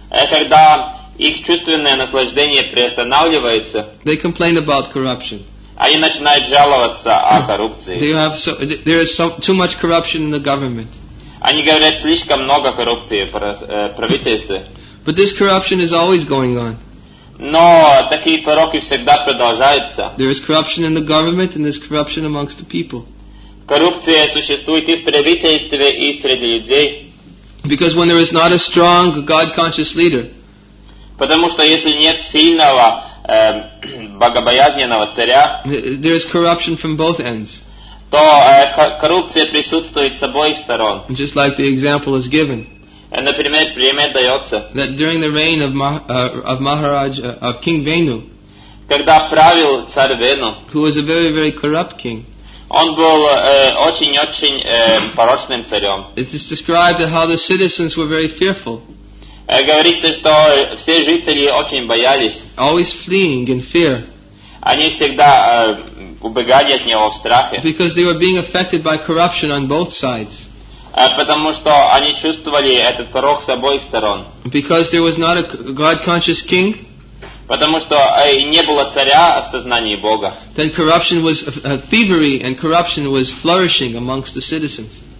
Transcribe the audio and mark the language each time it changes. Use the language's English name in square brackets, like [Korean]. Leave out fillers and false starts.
[Russian] Когда их чувственное наслаждение приостанавливается. [English] They complain about corruption. [Russian] Они начинают жаловаться о коррупции. [English] There is too much corruption in the government. [Russian] Они говорят слишком много коррупции в правительстве. [English] But this corruption is always going on. [Russian] Но такие пороки всегда продолжаются. [English] There is corruption in the government and there's corruption amongst the people. [Russian] Коррупция существует и в правительстве, и среди людей. [English] Because when there is not a strong God-conscious leader. [Russian] Потому что если нет сильного богобоязненного царя. [English] There is corruption from both ends. [Russian] То коррупция присутствует с обоих сторон. [English] Just like the example is given. And the [Russian] пример дается. [English] That during the reign of Maharaj of King Venu. [Russian] Когда правил царь Вену. [English] Who was a very, very corrupt king. [Russian] Он был очень-очень порочным царем. [English] It is described that how the citizens were very fearful. [Russian] Говорится, что все жители очень боялись. [English] Always fleeing in fear. [Russian] Они всегда убегали от него в страхе. [English] Because they were being affected by corruption on both sides. [Russian] потому что они чувствовали этот порог с обоих сторон. [English] Because there was not a God-conscious king. [Russian] Потому что не было царя в сознании Бога. [English] Then corruption was thievery, and corruption was flourishing amongst the citizens.